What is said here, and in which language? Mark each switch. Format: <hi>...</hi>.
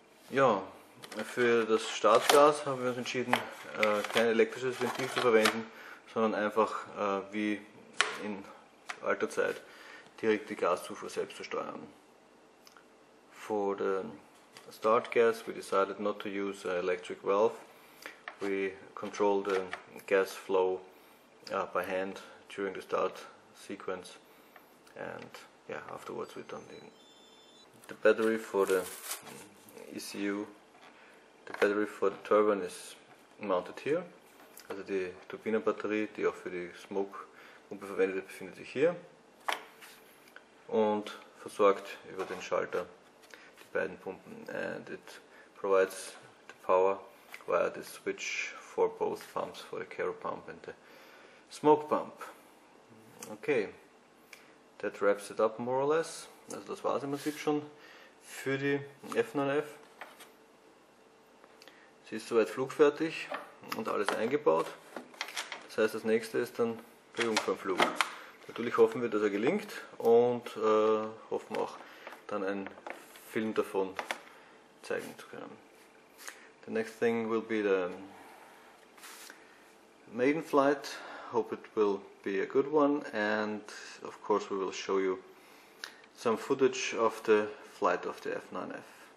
<de>Ja, für das Startgas haben wir uns entschieden, kein elektrisches Ventil zu verwenden, sondern einfach wie in alter Zeit direkt die Gaszufuhr selbst zu steuern.</de> <en>For the start gas, we decided not to use an electric valve. We control the gas flow by hand during the start sequence, and yeah, afterwards we've done the battery for the ECU. The battery for the turbine is mounted here.</en> <de>Also die Turbinenbatterie, die auch für die Smoke Pumpe verwendet, befindet sich hier und versorgt über den Schalter die beiden Pumpen.</de> <en>And it provides the power via the switch for both pumps, for the carrel pump and the smoke pump. Okay, that wraps it up more or less.</en> <de>Also das war es im Prinzip schon für die F9F. Sie ist soweit flugfertig und alles eingebaut. Das heißt, das nächste ist dann der Jungfernflug. Natürlich hoffen wir, dass er gelingt und hoffen auch, dann einen Film davon zeigen zu können.</de> <en>The next thing will be the maiden flight. Hope it will be a good one, and of course we will show you some footage of the flight of the F9F.</en>